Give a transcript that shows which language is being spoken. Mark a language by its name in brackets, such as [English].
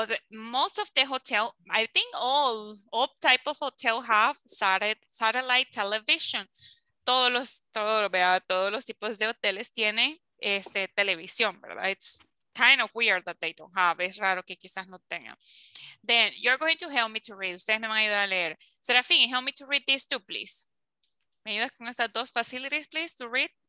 [English] Most of the hotel, I think all type of hotel have satellite television. [Spanish] Todos los tipos de hoteles tienen televisión, ¿verdad? [English] It's kind of weird that they don't have. [Spanish] Es raro que quizás no tengan. [English] Then you're going to help me to read. [Spanish] Ustedes me van a ayudar a leer. [English] Serafín, help me to read these two, please. [Spanish] ¿Me ayudas con estas dos facilities, [English] please, to read?